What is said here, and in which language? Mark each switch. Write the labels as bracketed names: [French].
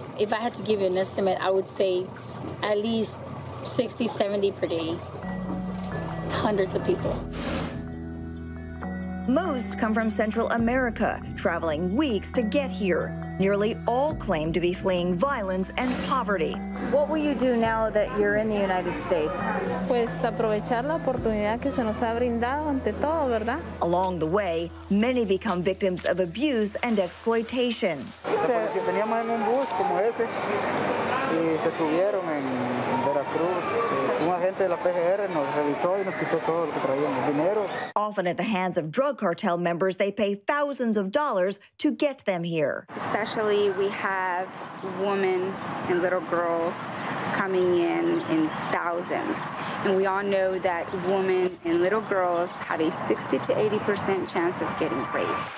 [English] If I had to give you an estimate, I would say at least 60, 70 per day, hundreds of people. Most come from Central America, traveling weeks to get here. Nearly all claim to be fleeing violence and poverty. What will you do now that you're in the United States? [Spanish] Pues aprovechar la oportunidad que se nos ha brindado ante todo, ¿verdad? [English] Along the way, many become victims of abuse and exploitation. [Spanish] Si teníamos en un bus como ese y se subieron en Veracruz, un agente de la PGR nos revisó y nos quitó todo lo que traíamos, dinero. [English] Often at the hands of drug cartel members, they pay thousands of dollars to get them here. Especially we have women and little girls coming in thousands. And we all know that women and little girls have a 60 to 80% chance of getting raped.